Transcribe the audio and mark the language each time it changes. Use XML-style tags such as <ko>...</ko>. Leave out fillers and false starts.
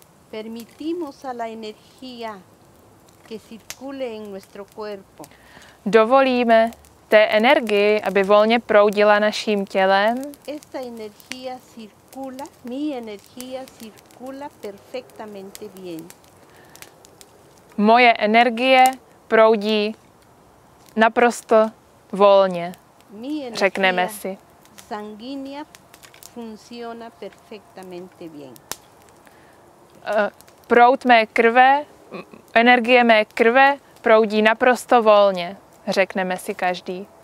<es>Permitimos a la energía que circule en nuestro cuerpo.</es> <cs>Dovolíme té energii, aby volně proudila naším tělem.</cs> <es>Esta energía circula, mi energía circula perfectamente bien.</es> <cs>Moje energie proudí naprosto volně.</cs> <es>Mi energía,</es> <cs>řekneme si.</cs> <es>Sanguínea funciona perfectamente bien.</es> <cs>Proud mé krve, energie mé krve proudí naprosto volně, řekneme si každý.</cs>